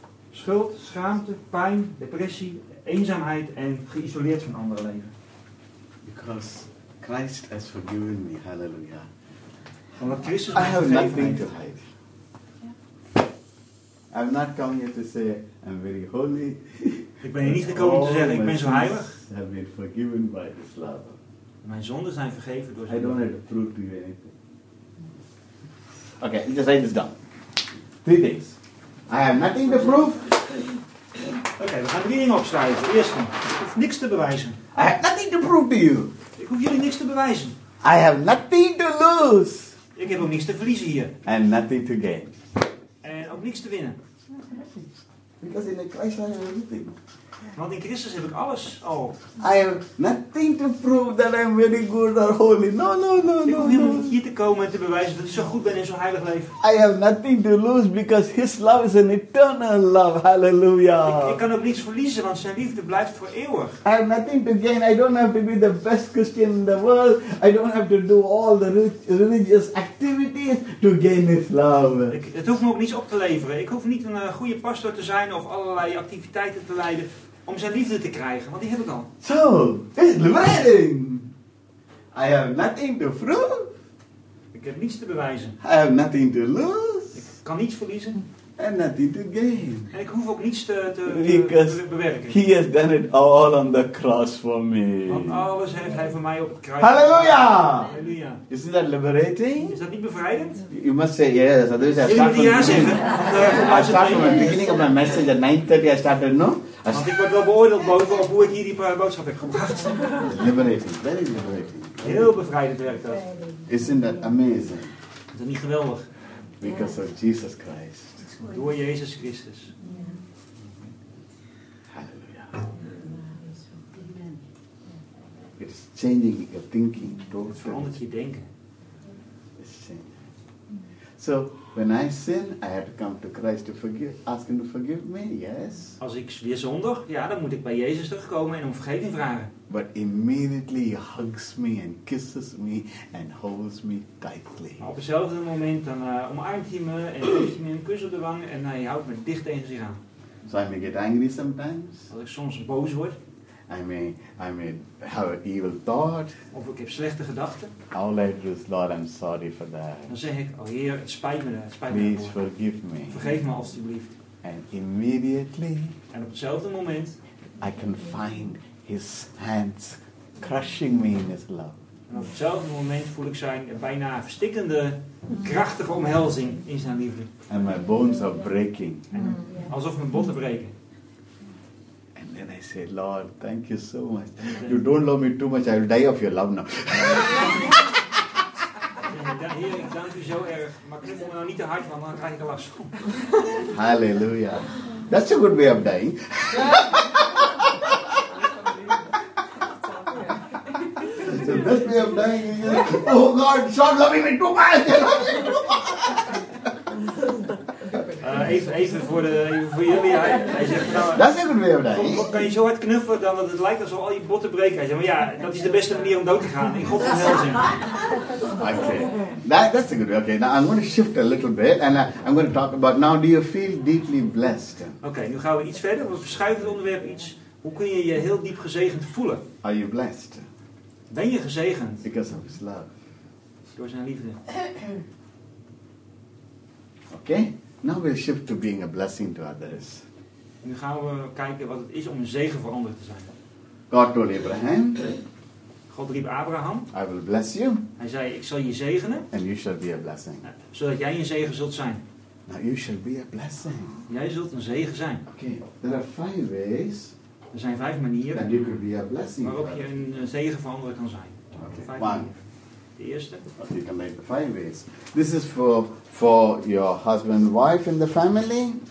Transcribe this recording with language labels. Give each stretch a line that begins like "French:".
Dutch: Schuld, schaamte, pijn, depressie. Eenzaamheid en geïsoleerd van andere leven.
English: Because Christ has forgiven me, halleluja.
Dutch: Omdat Christus mij vergeven heeft.
English: I have nothing to hide. Yeah. I'm not coming here to say I'm very holy.
Dutch: Ik ben hier niet gekomen te zeggen ik ben zo heilig.
English: Have been forgiven by his love.
Dutch: Mijn zonden zijn vergeven door
English: zijn. I don't have to prove to you anything. Okay, just say this down. Three things. I have nothing to prove.
Dutch: Oké, we gaan drie dingen opschrijven. Eerst, ik hoef niks te bewijzen.
English: I have nothing to prove to you.
Dutch: Ik hoef jullie niks te bewijzen.
English: I have nothing to lose.
Dutch: Ik heb ook niks te verliezen hier.
English: And nothing to gain.
Dutch: En ook niks te winnen.
English: Because in Christ I have everything.
Dutch: Want in Christus heb ik alles al.
English: I have nothing to prove that I'm very good or holy. No.
Dutch: Ik hoef niet hier te komen en te bewijzen dat ik zo goed ben en zo heilig leef.
English: I have nothing to lose because his love is an eternal love. Hallelujah.
Dutch: Ik kan ook niets verliezen, want zijn liefde blijft voor eeuwig.
English: I have nothing to gain. I don't have to be the best Christian in the world. I don't have to do all the religious activities to gain his love.
Dutch: Het hoeft me ook niets op te leveren. Ik hoef niet een goede pastor te zijn of allerlei activiteiten te leiden om zijn liefde te krijgen, want die heb ik al.
English: So, this is bewijzing. I have nothing to prove.
Dutch: Ik heb niets te bewijzen.
English: I have nothing to lose.
Dutch: Ik kan niets verliezen.
English: And nothing to gain.
Dutch: En ik hoef ook niets te bewerken.
English: He has done it all on the cross for me.
Dutch: Want alles heeft hij voor mij op het kruis. Hallelujah. Hallelujah.
English: Isn't that liberating?
Dutch: Is dat niet bevrijdend?
English: You must say yes. Otherwise, I start from, zeggen, I start from the beginning of my message at 9:30. I started, no?
Dutch: Want ik word wel beoordeeld bovenop hoe ik hier die boodschap heb gebracht.
English: Liberating. Very liberating.
Dutch: Heel bevrijdend werkt dat.
English: Isn't that amazing?
Dutch: Is dat niet geweldig?
English: Because of Jesus Christ.
Dutch: Door Jezus Christus. Halleluja.
English: It is changing your thinking.
Dutch: Het verandert je denken.
English: It's changing. So, when I sin, I have to come to Christ to forgive, ask him to forgive me, yes.
Dutch: Als ik weer zondig, ja, dan moet ik bij Jezus terugkomen en om vergeving vragen.
English: But immediately he hugs me and kisses me and holds me tightly.
Dutch: Maar op hetzelfde moment, dan omarmt hij me en geeft hij me een kus op de wang en hij houdt me dicht tegen zich aan.
English: So I may get angry sometimes.
Dutch: Als ik soms boos word.
English: I mean, have an evil thought.
Dutch: Of ik heb slechte gedachten.
English: All I do is, Lord, I'm sorry for that.
Dutch: Dan zeg ik, oh Heer, het spijt me. Het spijt
English: Please
Dutch: me
English: forgive me.
Dutch: Vergeef me alstublieft.
English: And immediately.
Dutch: En op hetzelfde moment.
English: I can find his hands crushing me in his love.
Dutch: En op hetzelfde moment voel ik zijn bijna verstikkende, krachtige omhelzing in zijn liefde.
English: And my bones are breaking.
Dutch: En alsof mijn botten breken.
English: And then I say, Lord, thank you so much. You don't love me too much, I will die of your love now.
Dutch: Heer, ik dank u zo erg, maar knuffel me nou niet te hard, want dan krijg ik last. Halleluja.
English: That's a good way of dying. That's a best way of dying. Oh God, stop loving me too much.
Dutch: Even voor de, even voor jullie. Hij zegt, nou,
English: that's a good way of dying.
Dutch: Kan je zo hard knuffelen dan dat het lijkt alsof al je botten breken? Hij zegt, maar ja, dat is de beste manier om dood te gaan. In God verhelzing.
English: Okay. That's a good way. Okay, now I'm going to shift a little bit and I'm going to talk about now, do you feel deeply blessed?
Dutch: Okay, nu gaan we iets verder. We verschuiven het onderwerp iets. Hoe kun je je heel diep gezegend voelen?
English: Are you blessed?
Dutch: Ben je gezegend?
English: Because of his love.
Dutch: Door zijn liefde.
English: Okay, now we'll shift to being a blessing to others.
Dutch: Nu gaan we kijken wat het is om een zegen voor anderen te zijn.
English: God told Abraham.
Dutch: God riep Abraham.
English: I will bless you.
Dutch: Hij zei, ik zal je zegenen.
English: And you shall be a blessing.
Dutch: Zodat jij een zegen zult zijn.
English: Now you shall be a blessing.
Dutch: Jij zult een zegen zijn.
English: Okay. There are five ways.
Dutch: Er zijn vijf manieren.
English: And you could be a blessing.
Dutch: Waarop je een zegen voor anderen kan zijn.
English: Okay. One.
Dutch: De eerste.
English: Okay, you can make the five ways. This is for your husband, wife in the family.